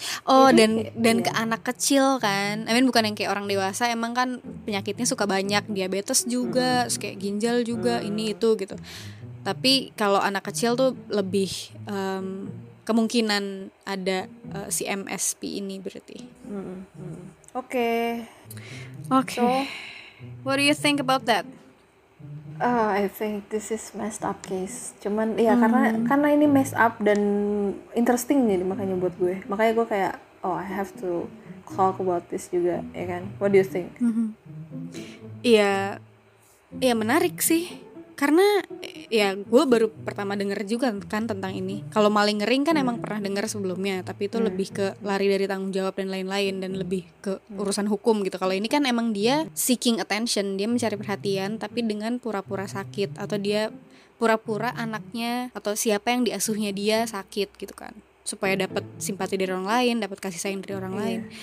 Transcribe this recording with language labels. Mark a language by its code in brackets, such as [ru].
[id] Oh, dan kayak, dan ke anak kecil kan, [en] I mean [id] bukan yang kayak orang dewasa, emang kan penyakitnya suka banyak, diabetes juga, kayak ginjal juga, ini itu gitu. Tapi kalau anak kecil tuh lebih kemungkinan ada si MSP ini berarti. Oke. [en] Okay. Okay. So, what do you think about that? I think this is messed up case. [id] Cuman ya karena ini [en] messed up [id] dan interesting jadi makanya buat gue. Makanya gue kayak [en] I have to talk about this [id] juga, ya kan? [en] What do you think? [id] Iya. Ya menarik sih. Karena ya gue baru pertama denger juga kan tentang ini. Kalau malingering kan emang pernah denger sebelumnya, tapi itu lebih ke lari dari tanggung jawab dan lain-lain, dan lebih ke urusan hukum gitu. Kalau ini kan emang dia [en] seeking attention, [id] dia mencari perhatian tapi dengan pura-pura sakit, atau dia pura-pura anaknya atau siapa yang diasuhnya dia sakit gitu kan, supaya dapat simpati dari orang lain, dapat kasih sayang dari orang lain.